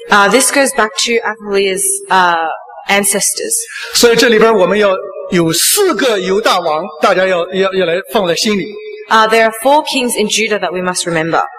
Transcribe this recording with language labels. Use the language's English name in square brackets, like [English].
[English] This goes back to Athaliah's ancestors. [Chinese] 所以这里边我们要有四个犹大王，大家要来放在心里。 [English] There are four kings in Judah that we must remember.